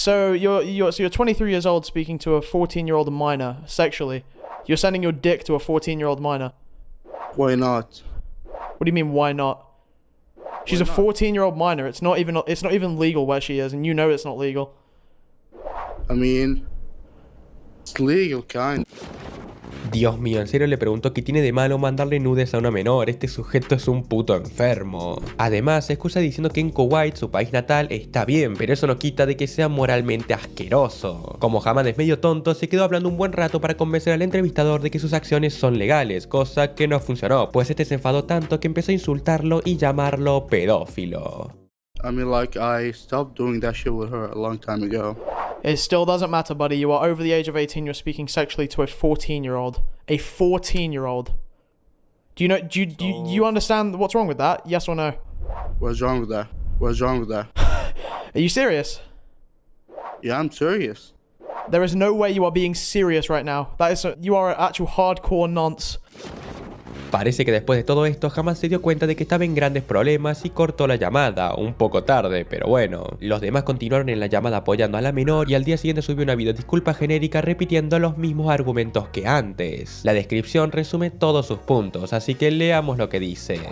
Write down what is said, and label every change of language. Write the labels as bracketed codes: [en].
[en] So, you're 23 years old speaking to a 14-year-old minor, sexually. You're sending your dick to a 14-year-old minor. Why not? What do you mean, why not? She's a 14-year-old minor. It's not even legal where she is, and you know it's not legal. I mean, it's legal, kind. [es] Dios mío, en serio le pregunto qué tiene de malo mandarle nudes a una menor, este sujeto es un puto enfermo. Además, se excusa diciendo que en Kuwait, su país natal, está bien, pero eso no quita de que sea moralmente asqueroso. Como Hamad es medio tonto, se quedó hablando un buen rato para convencer al entrevistador de que sus acciones son legales, cosa que no funcionó, pues este se enfadó tanto que empezó a insultarlo y llamarlo pedófilo. [en] I mean, like, I stopped doing that shit with her a long time ago. It still doesn't matter, buddy. You are over the age of 18. You're speaking sexually to a 14-year-old. A 14-year-old. Do you understand what's wrong with that? Yes or no? What's wrong with that? What's wrong with that? Are you serious? Yeah, I'm serious. There is no way you are being serious right now. You are an actual hardcore nonce. [es] Parece que después de todo esto, Hamad se dio cuenta de que estaba en grandes problemas y cortó la llamada, un poco tarde, pero bueno. Los demás continuaron en la llamada apoyando a la menor y al día siguiente subió una video disculpa genérica repitiendo los mismos argumentos que antes. La descripción resume todos sus puntos, así que leamos lo que dice.